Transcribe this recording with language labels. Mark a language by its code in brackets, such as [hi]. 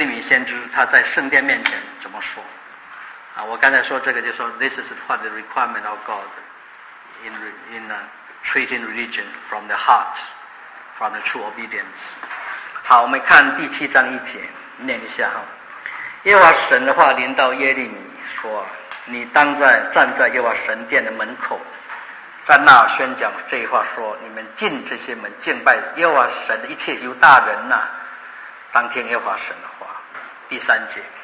[zh] 但是呢亏欠的实际上那个撒摩记上15章23节22到23节说的，你完梗啊，你骄傲啊，拜偶像一样啊，那你为什么不顺从呢？不是听命呢？你献给我这么牛羊的血肉，所以这变成我们在聚会圣殿很重要一个真正宗教真正虔诚的一个很重要的神的要求。好，那我们现在就逐一来看看到底这个耶利米先知他在圣殿面前怎么说。啊，我刚才说这个就说 [en] this is what the requirement of God in treating religion from the heart, from the true obedience. [zh] 好，我们看第7章1节，念一下哈。耶和华神的话临到耶利米说：“你当在站在耶和华神殿的门口，在那宣讲这话说，你们进这些门敬拜耶和华神的一切犹大人呐、啊，当听耶和华神的话。”第3节。